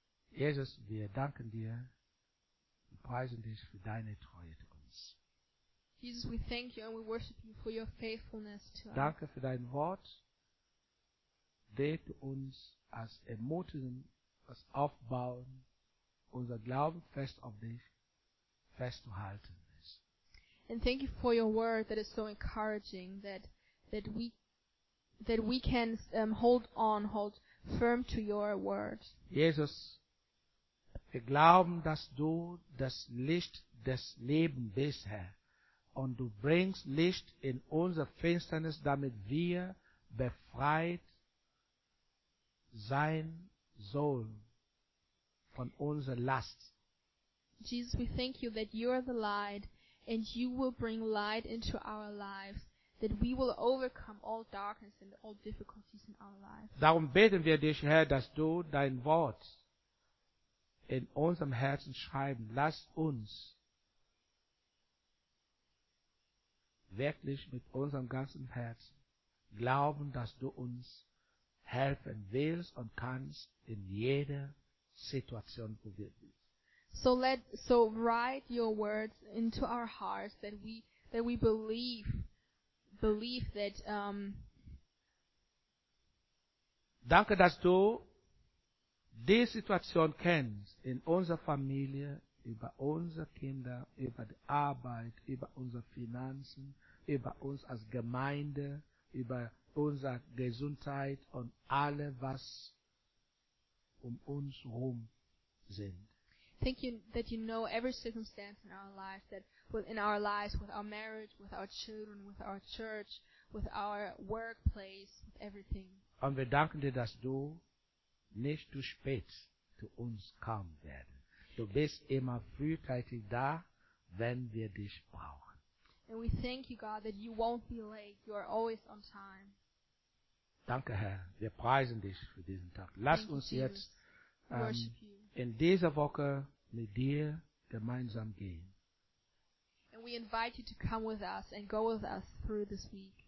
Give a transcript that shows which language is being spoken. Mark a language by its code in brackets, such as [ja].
[de] Jesus, wir danken dir und preisen dich für deine Treue zu uns. [en] Jesus, we thank you and we worship you for your faithfulness to us. [de] Danke für dein Wort, das uns als ermutigen, als aufbauen, unser Glauben fest auf dich festzuhalten ist. [en] And thank you for your word that is so encouraging, that we can hold firm to your word. [de] Jesus, wir glauben, dass du das Licht des Lebens bist, Herr. Und du bringst Licht in unser Finsternis, damit wir befreit sein sollen von unserer Last. [en] Jesus, we thank you that you are the light and you will bring light into our lives, that we will overcome all darkness and all difficulties in our lives. [de] Darum beten wir dich, Herr, dass du dein Wort in unserem Herzen schreiben. Lass uns wirklich mit unserem ganzen Herzen glauben, dass du uns helfen willst und kannst in jeder Situation, wo wir sind. [en] So write your words into our hearts that we believe that. [de] Danke, dass du die Situation kennst in unserer Familie, über unsere Kinder, über die Arbeit, über unsere Finanzen, über uns als Gemeinde, über unsere Gesundheit und alle, was um uns herum sind. [en] Thank you that you know every circumstance in our lives, that within our lives, with our marriage, with our children, with our church, with our workplace, with everything. [de] Und wir danken dir, dass du nicht zu spät zu uns kommen werden. Du bist immer frühzeitig da, wenn wir dich brauchen. [en] And we thank you, God, that you won't be late. You are always on time. [de] Danke, Herr. Wir preisen dich für diesen Tag. Lass [en] thank [de] uns [en] you, [de] jetzt [en] you. [de] In dieser Woche mit dir gemeinsam gehen. [en] And we invite you to come with us and go with us through this week.